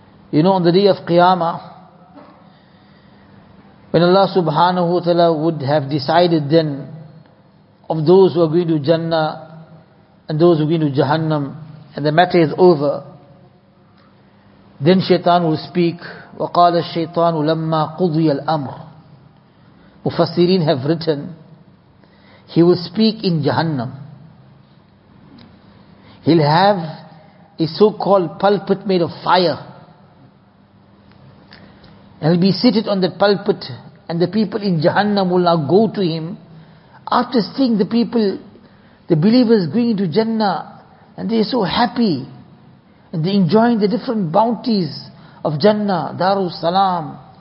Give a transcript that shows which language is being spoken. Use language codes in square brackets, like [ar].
[en] You know, on the day of Qiyamah, when Allah subhanahu wa ta'ala would have decided then of those who are going to Jannah and those who are going to Jahannam, and the matter is over, then Shaitan will speak. [ar] وَقَالَ الشَّيْطَانُ لَمَّا قُضِيَ الْأَمْرُ. [en] Mufassirin have written, He will speak in Jahannam. He'll have a so-called pulpit made of fire. And he'll be seated on that pulpit, and the people in Jahannam will now go to him. After seeing the people, the believers going into Jannah, and they're so happy, and they're enjoying the different bounties of Jannah, Darul Salam.